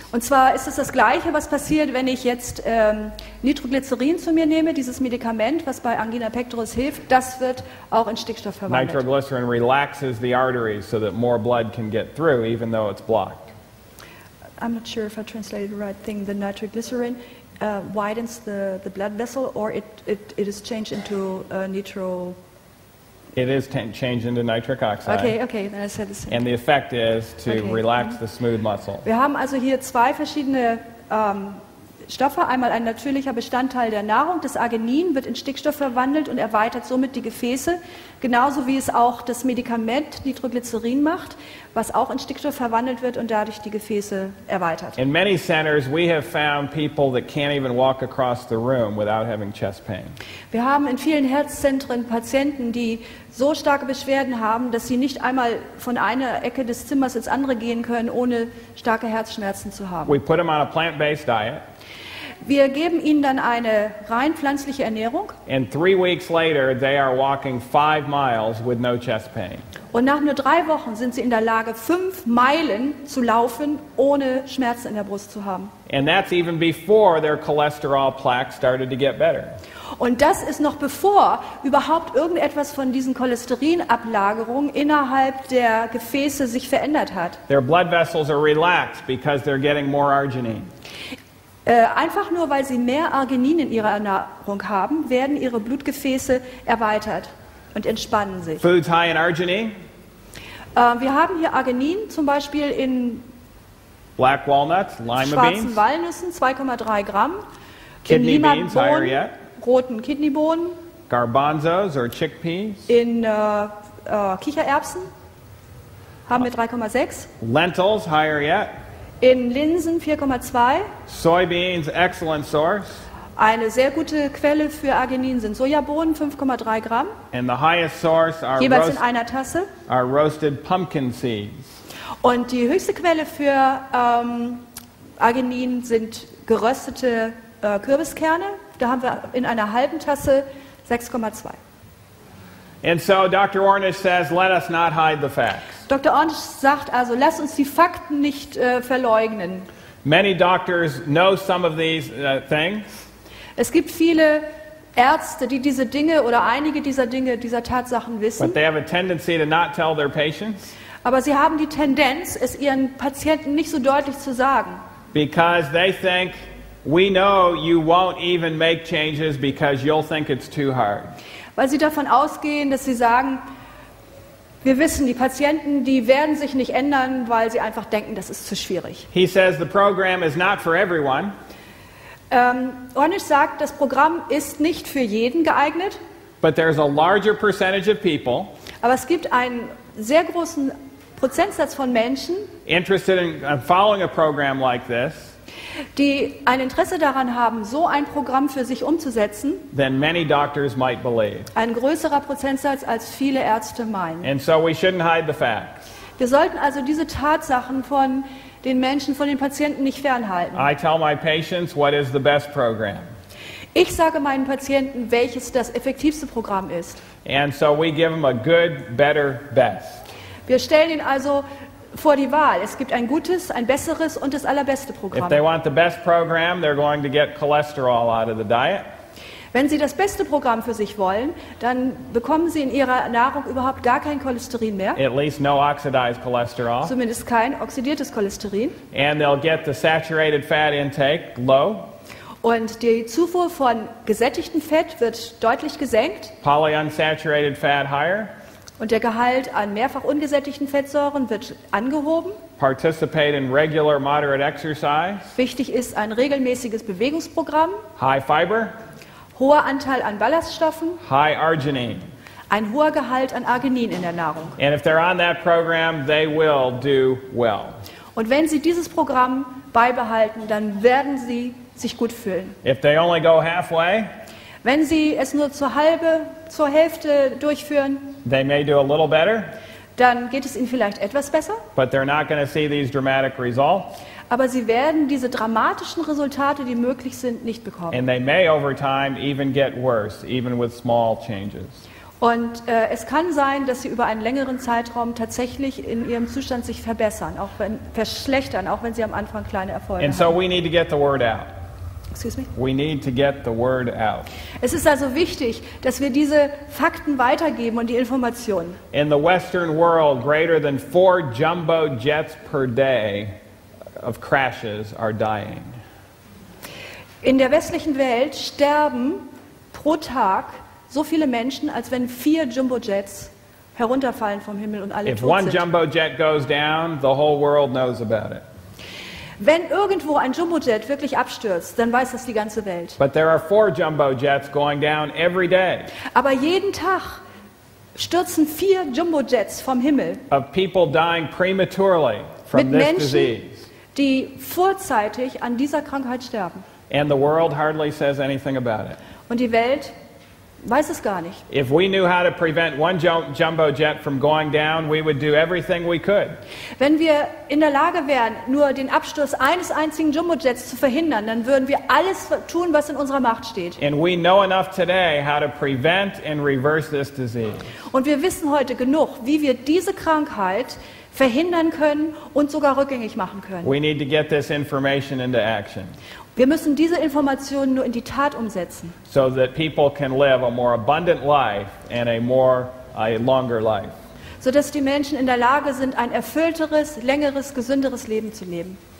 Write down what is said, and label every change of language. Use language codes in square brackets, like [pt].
[de] Und zwar ist es das Gleiche, was passiert, wenn ich jetzt Nitroglycerin zu mir nehme, dieses Medikament, was bei Angina pectoris hilft, das wird auch in Stickstoff verwandelt. [en] Nitroglycerin relaxes the arteries so that more blood can get through, even though it's blocked. I'm not sure if I translated the right thing. The nitroglycerin widens the blood vessel, or it is changed into nitro. It is changed into nitric oxide. Okay, then I said the same. And the effect is to relax the smooth muscle. [de] Wir haben also hier zwei verschiedene Stoffe. Einmal ein natürlicher Bestandteil der Nahrung, das Arginin, wird in Stickstoff verwandelt und erweitert somit die Gefäße. Genauso wie es auch das Medikament Nitroglycerin macht, was auch in Stickstoff verwandelt wird und dadurch die Gefäße erweitert. [en] In many centers we have found people that can't even walk across the room without having chest pain. [de] Wir haben in vielen Herzzentren Patienten, die so starke Beschwerden haben, dass sie nicht einmal von einer Ecke des Zimmers ins andere gehen können, ohne starke Herzschmerzen zu haben. [en] We put them on a plant-based diet. [de] Wir geben ihnen dann eine rein pflanzliche Ernährung. [en] And 3 weeks later, they are walking 5 miles with no chest pain. [de] Und nach nur 3 Wochen sind sie in der Lage, 5 Meilen zu laufen, ohne Schmerzen in der Brust zu haben. [en] And that's even before their cholesterol plaque started to get better. [de] Und das ist noch bevor überhaupt irgendetwas von diesen Cholesterinablagerungen innerhalb der Gefäße sich verändert hat. [en] Their blood vessels are relaxed because they're getting more arginine. [de] Einfach nur, weil sie mehr Arginin in ihrer Ernährung haben, werden ihre Blutgefäße erweitert und entspannen sich. [en] Foods high in arginine. [de] Wir haben hier Arginin zum Beispiel in [en] Black walnuts, lima [de] schwarzen [en] beans. [de] Walnüssen, 2,3 Gramm. [en] Kidney [de] in [en] beans, higher yet. [de] Roten Kidneybohnen. [en] Garbanzos or chickpeas. [de] In Kichererbsen haben wir 3,6. [en] Lentils, higher yet. [de] In Linsen 4,2. [en] Soybeans, excellent source. [de] Eine sehr gute Quelle für Arginin sind Sojabohnen, 5,3 Gramm. [en] And the highest source are [de] jeweils in einer Tasse. [en] Are roasted pumpkin seeds. [de] Und die höchste Quelle für Arginin sind geröstete Kürbiskerne. Da haben wir in einer halben Tasse 6,2. [en] And so Dr. Ornish says, let us not hide the facts. [de] Dr. Ornish sagt also, lass uns die Fakten nicht verleugnen. [en] Many doctors know some of these things. [de] Es gibt viele Ärzte, die diese Dinge oder einige dieser Dinge, dieser Tatsachen wissen. [en] But they have a tendency to not tell their patients. [de] Aber sie haben die Tendenz, es ihren Patienten nicht so deutlich zu sagen. [en] Because they think, we know you won't even make changes because you'll think it's too hard. [de] Weil sie davon ausgehen, dass sie sagen, wir wissen, die Patienten, die werden sich nicht ändern, weil sie einfach denken, das ist zu schwierig. [en] He says the program is not for everyone. [de] Ornish sagt, das Programm ist nicht für jeden geeignet. [en] But there's a larger percentage of people. [de] Aber es gibt einen sehr großen Prozentsatz von Menschen. [en] Interested in following a program like this. [de] Die ein Interesse daran haben, so ein Programm für sich umzusetzen, [en] then many doctors might believe. [de] Ein größerer Prozentsatz als viele Ärzte meinen. [en] And so we shouldn't hide the facts. [de] Wir sollten also diese Tatsachen von den Menschen, von den Patienten nicht fernhalten. [en] I tell my patients, what is the best program? [de] Ich sage meinen Patienten, welches das effektivste Programm ist. [en] And so we give them a good, better, best. [de] Wir stellen ihnen also vor die Wahl. Es gibt ein gutes, ein besseres und das allerbeste Programm. [en] If they want the best program, they're going to get cholesterol out of the diet. [de] Wenn sie das beste Programm für sich wollen, dann bekommen sie in ihrer Nahrung überhaupt gar kein Cholesterin mehr. [en] At least no oxidized cholesterol. [de] Zumindest kein oxidiertes Cholesterin. [en] And they'll get the saturated fat intake low. [de] Und die Zufuhr von gesättigtem Fett wird deutlich gesenkt. [en] Polyunsaturated fat higher. [de] Und der Gehalt an mehrfach ungesättigten Fettsäuren wird angehoben. [en] Participate in regular moderate exercise. [de] Wichtig ist ein regelmäßiges Bewegungsprogramm. [en] High fiber. [de] Hoher Anteil an Ballaststoffen. [en] High arginine. [de] Ein hoher Gehalt an Arginin in der Nahrung. [en] And if they're on that program, they will do well. [de] Und wenn sie dieses Programm beibehalten, dann werden sie sich gut fühlen. [en] If they only go halfway, [de] wenn sie es nur zur Hälfte durchführen, [en] they may do a little better, [de] dann geht es ihnen vielleicht etwas besser. [en] But they're not going to see these dramatic results. [de] Aber sie werden diese dramatischen Resultate, die möglich sind, nicht bekommen. [en] And they may over time even get worse, even with small changes. [de] Und es kann sein, dass sie über einen längeren Zeitraum tatsächlich in ihrem Zustand sich verschlechtern, auch wenn sie am Anfang kleine Erfolge [en] and [de] haben. [en] And so we need to get the word out. Excuse me? We need to get the word out. [de] Es ist also wichtig, dass wir diese Fakten weitergeben und die Informationen. [en] In the Western world, greater than 4 jumbo jets per day of crashes are dying. [de] In der westlichen Welt sterben pro Tag so viele Menschen, als wenn 4 jumbo jets herunterfallen vom Himmel und alle [en] if [de] tot sind. [en] If one jumbo jet goes down, the whole world knows about it. [de] Wenn irgendwo ein Jumbojet wirklich abstürzt, dann weiß das die ganze Welt. [en] But there are 4 jumbo jets going down every day. [de] Aber jeden Tag stürzen 4 Jumbojets vom Himmel. [en] Of people dying prematurely from [de] mit Menschen, [en] this disease. [de] Die vorzeitig an dieser Krankheit sterben. [en] And the world hardly says anything about it. [de] Und die Welt Weiß es gar nicht. [en] If we knew how to prevent one jumbo jet from going down, we would do everything we could. [de] Wenn wir in der Lage wären, nur den Absturz eines einzigen Jumbojets zu verhindern, dann würden wir alles tun, was in unserer Macht steht. [en] And we know enough today how to prevent and reverse this disease. [de] Und wir wissen heute genug, wie wir diese Krankheit verhindern können und sogar rückgängig machen können. [en] We need to get this information into action. [de] Wir müssen diese Informationen nur in die Tat umsetzen. [en] So that people can live a more abundant life and a longer life. [de] So dass die Menschen in der Lage sind, ein erfüllteres, längeres, gesünderes Leben zu leben.